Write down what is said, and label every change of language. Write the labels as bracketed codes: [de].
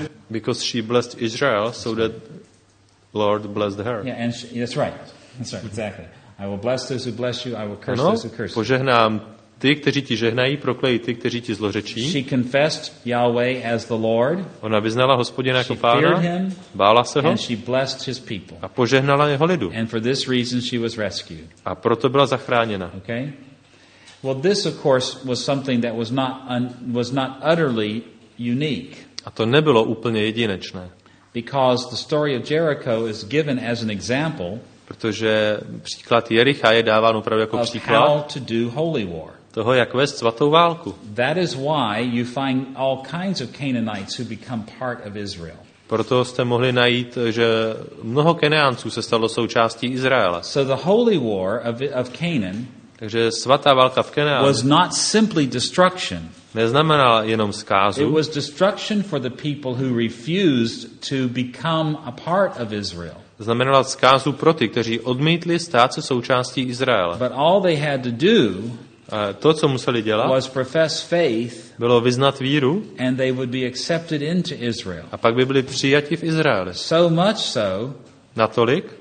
[en] Because she blessed Israel, so that Lord blessed her. Yeah, and she, that's right. That's right. Exactly. I will bless those who bless you. I will curse those who curse you. [cs] Požehnám ty, kteří ti žehnají, proklej ty, kteří ti zlořečí. [en] She confessed Yahweh as the Lord. [cs] Ona vyznala Hospodina jako Pána. [en] Him, [cs] bála se ho. [en] And she blessed his people. [cs] A požehnala jeho lidu. [en] And for this reason she was rescued. [cs] A proto byla zachráněna. [en] Okay. Well, this of course was something that was not was not utterly unique. [cs] A to nebylo úplně jedinečné. [en] Because the story of Jericho is given as an example. [cs] Protože příklad Jericha je dáván opravdu jako příklad [en] to do holy war. [cs] Toho, jak vést svatou válku. [en] That is why you find all kinds of Canaanites who become part of Israel. [cs] Proto jste mohli najít, že mnoho Kenianců se stalo součástí Izraele. [en] So the holy war of Canaan, [cs] takže svatá válka v Kenaanu, [en] was not simply destruction. [cs] Neznamenala jenom zkázu. [en] It was destruction for the people who refused to become a part of Israel. [cs] Znamenala zkázu pro ty, kteří odmítli stát se součástí Izraele. [en] But all they had to do, [cs] to, co museli dělat, [en] was profess faith, [cs] bylo vyznat víru, [en] and they would be accepted into Israel. [cs] A pak by byli přijati v Izraeli. [en] So much so, [cs] natolik,